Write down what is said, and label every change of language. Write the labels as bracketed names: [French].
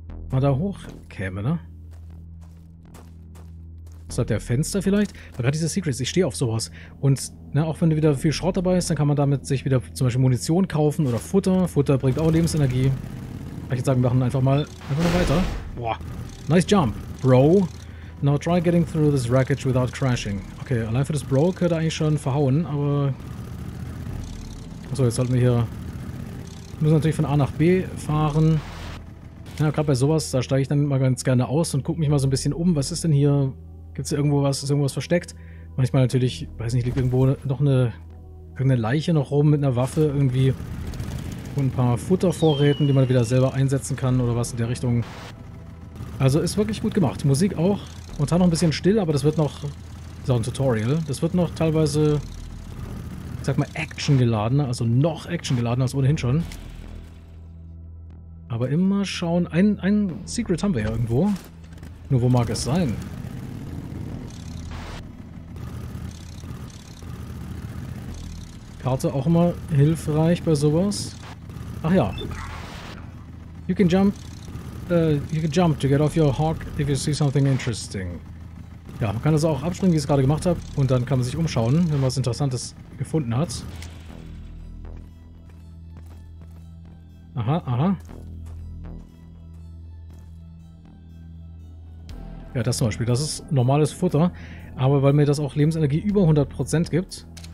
[German] man da hoch käme, ne? Außerhalb der Fenster vielleicht? Weil gerade diese Secrets, ich stehe auf sowas. Und ne, auch wenn da wieder viel Schrott dabei ist, dann kann man damit sich wieder zum Beispiel Munition kaufen oder Futter. Futter bringt auch Lebensenergie. Ich würde sagen, wir machen einfach mal weiter. [English] Boah. Nice jump, Bro. Now try getting through this wreckage without crashing. [German] Okay, allein für das Bro könnte eigentlich schon verhauen, aber... Achso, jetzt sollten wir hier... Wir müssen natürlich von A nach B fahren. Ja, gerade bei sowas, da steige ich dann mal ganz gerne aus und gucke mich mal so ein bisschen um. Was ist denn hier? Gibt es irgendwo was? Ist irgendwas versteckt? Manchmal natürlich, weiß nicht, liegt irgendwo noch eine... irgendeine Leiche noch rum mit einer Waffe irgendwie. Und ein paar Futtervorräten, die man wieder selber einsetzen kann oder was in der Richtung. Also ist wirklich gut gemacht. Musik auch. Und dann noch ein bisschen still, aber das wird noch... Das ist auch ein Tutorial. Das wird noch teilweise, ich sag mal, Action geladen. Also noch Action geladen als ohnehin schon. Aber immer schauen... Ein Secret haben wir ja irgendwo. Nur wo mag es sein? Karte auch immer hilfreich bei sowas. Ach ja. [English] You can jump to get off your hawk if you see something interesting. [German] Ja, man kann das auch abspringen, wie ich es gerade gemacht habe. Und dann kann man sich umschauen, wenn man was Interessantes gefunden hat. Aha. Ja, das zum Beispiel. Das ist normales Futter. Aber weil mir das auch Lebensenergie über 100% gibt.